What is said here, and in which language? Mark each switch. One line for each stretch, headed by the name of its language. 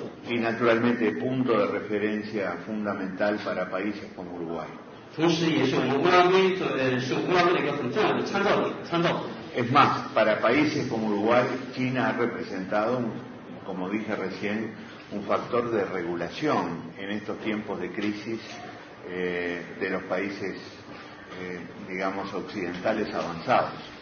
Spanish: Y naturalmente punto de referencia fundamental para países como Uruguay.
Chinese: 同时也是我们乌拉圭的一个很重要的参照点。
Spanish: Es más, para países como Uruguay, China ha representado, como dije recién, un factor de regulación en estos tiempos de crisis de los países, digamos, occidentales avanzados.